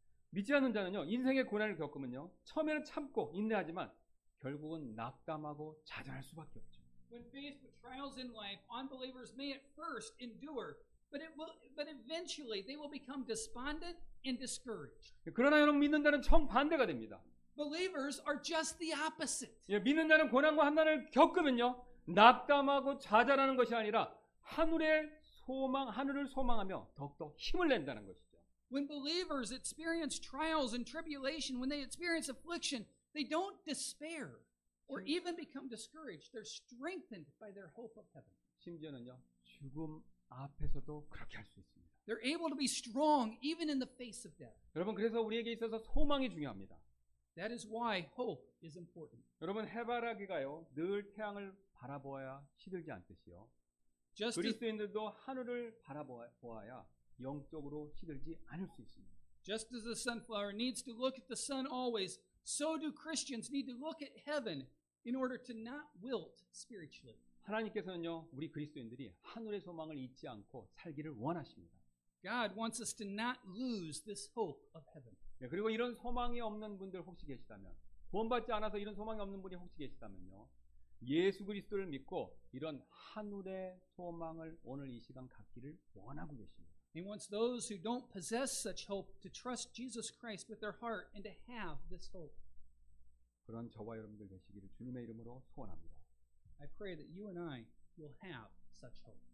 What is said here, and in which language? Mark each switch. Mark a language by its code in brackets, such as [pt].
[ko] 믿지 않는 자는요 인생의 고난을 겪으면요 처음에는 참고 인내하지만 결국은 낙담하고 좌절할 수밖에 없죠. [en] When faced with trials in life, unbelievers may at first endure, but eventually they will become despondent and discouraged. [ko] 그러나 여러분 믿는 자는 정반대가 됩니다. [en] Believers are just the opposite. [ko] 예, 믿는 자는 고난과 환난을 겪으면요 낙담하고 좌절하는 것이 아니라 하늘의 소망, 하늘을 소망하며 더욱더 힘을 낸다는 것이죠. [en] When believers experience trials and tribulation, when they experience affliction, they don't despair or even become discouraged. They're strengthened by their hope of heaven. [ko] 심지어는요, 죽음 앞에서도 그렇게 할 수 있습니다. [en] They're able to be strong even in the face of death. [ko] 여러분, 그래서 우리에게 있어서 소망이 중요합니다. [en] That is why hope is important. [ko] 여러분, 해바라기가요, 늘 태양을 바라보아야 시들지 않듯이요. 그리스도인들도 하늘을 바라보아야 영적으로 시들지 않을 수 있습니다. [en] Just as the sunflower needs to look at the sun always, so do Christians need to look at heaven in order to not wilt spiritually. [ko] 하나님께서는요, 우리 그리스도인들이 하늘의 소망을 잊지 않고 살기를 원하십니다. [en] God wants us to not lose this hope of heaven. [ko] 네, 그리고 이런 소망이 없는 분들 혹시 계시다면, 구원받지 않아서 이런 소망이 없는 분이 혹시 계시다면요, 예수 그리스도를 믿고 이런 하늘의 소망을 오늘 이 시간 갖기를 원하고 계십니다. [en] He wants those who don't possess such hope to trust Jesus Christ with their heart and to have this hope. [ko] 그런 저와 여러분들 되시기를 주님의 이름으로 소원합니다. [en] I pray that you and I will have such hope.